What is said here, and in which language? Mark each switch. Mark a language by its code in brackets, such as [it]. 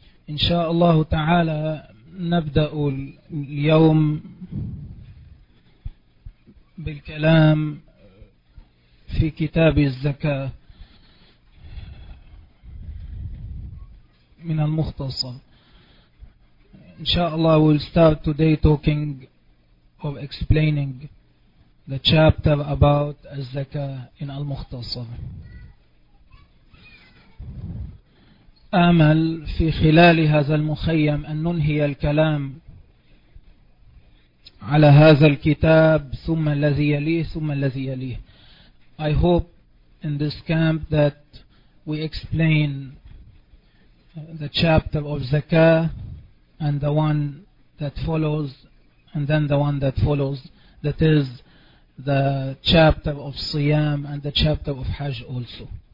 [ar] إن شاء الله تعالى نبدأ اليوم بالكلام في كتاب الزكاة من المختصر. إن شاء الله [en] we'll start today talking or explaining the chapter about الزكاة in المختصر. [ar] آمل في خلال هذا المخيم أن ننهي الكلام على هذا الكتاب ثم الذي يليه ثم الذي يليه. [en] I hope in this camp that we explain the chapter of zakah and the one that follows and then the one that follows, that is the chapter of siyam and the chapter of hajj also.